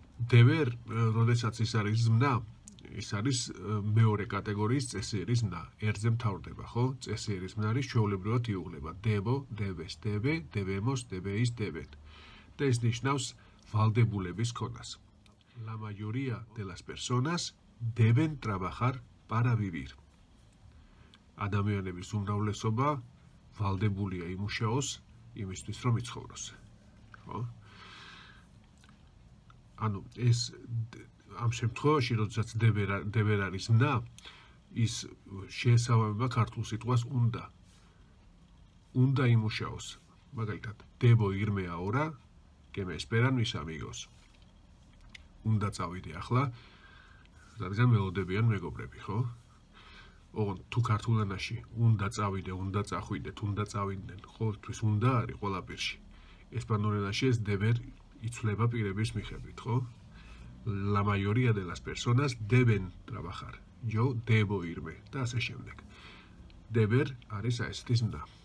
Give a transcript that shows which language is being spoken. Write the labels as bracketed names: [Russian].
[Georgian] დევერ, როდესაც ის არის ზმნა, ის არის მეორე კატეგორიის წესიერი ზმნა, ერთზე მთავრდება, ხო? წესიერი ზმნა არის ჩვეულებრივად იუღლება, დევო, დევეს, დევე, დევემოს, დევეის, დევეთ. და ეს ნიშნავს ვალდებულების ქონას. [Spanish] La mayoría de las personas deben trabajar para vivir. [Georgian] ადამიანების უმრავლესობა ვალდებულია იმუშაოს იმისთვის, რომ იცხოვროს. ხო? ანუ ეს ამ შემთხვევაში, როდესაც დევერ არის ნა, ის შეესაბამება ქართულ სიტყვას უნდა. უნდა იმუშაოს. [Spanish] მაგალითად, დებო ირმე აორა, კემე ესპერან მის ამიგოს. [Georgian] უნდა წავიდე ახლა, რადგან მელოდებიან მეგობრები, ხო? ოღონდ თუ ქართულანაში უნდა წავიდე, უნდა წახვიდე, უნდა წავიდნენ, ხო? თვის უნდა არის ყველა პირში. ესპანურენაში ეს დებერ იცვლება პირების მიხედვით, ხო? [Spanish] La mayoría de las personas deben trabajar. Yo debo irme. [Georgian] და ასე შემდეგ. Deber არის ასეთი ზმნა.